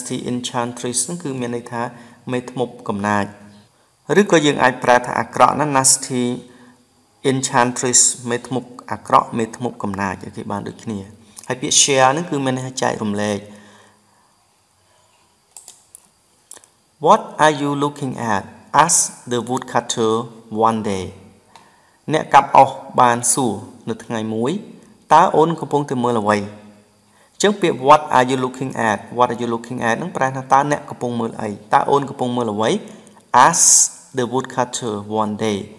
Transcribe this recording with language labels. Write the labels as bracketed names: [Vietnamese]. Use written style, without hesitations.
[Khmer] enchantress គឺមានន័យថាមេធ្មប់កំណាចឬក៏យើងអាចប្រែថាអាក្រក់ណា [English] nasty enchantress [Khmer] មេធ្មប់អាក្រក់មេធ្មប់កំណាចគេបានដូចគ្នាហើយពាក្យ share នឹងគឺមានន័យថាចែករំលែក [English] What are you looking at? Asked the woodcutter one day. [Khmer] អ្នកកាប់អុសបានសួរនៅថ្ងៃមួយតើអូនកំពុងតែមើលអ្វី? ចឹងពាក្យ [English] What are you looking at? What are you looking at? [Khmer] នឹងប្រែថាតើអ្នកកំពុងមើលអី? តើអូនកំពុងមើលអ្វី? [English] Asked the woodcutter one day.